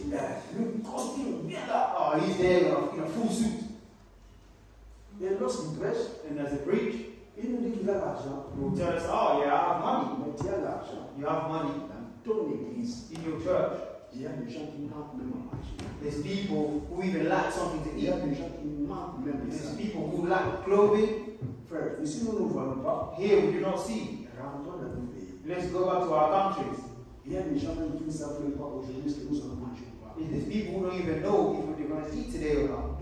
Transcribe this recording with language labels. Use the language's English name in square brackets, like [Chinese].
[French] Yeah. Le costume, bien là. [English] Oh, he's there in a full suit. [French] Et lorsqu'il prêche, [English] and as a preach, [French] il nous dit qu'il a l'argent. [English] He tell us, oh, you have money. [French] Mais tu as l'argent. [English] You have money. [French] Dans ton église, [English] in your church, [French] il y a des gens qui manquent même à manger. [English] There's people who even lack something to eat. [French] Il y a des gens qui manquent même. [English] There's people who lack clothing. [French] Frère, ici nous ne voyons pas. [English] Here we do not see. [French] Rentrons dans nos pays. [English] Let's go back to our countries. [French] Il y a des gens même qui ne savent pas aujourd'hui ce que nous allons manger. [English] There's people who don't even know if they're going to eat today or not.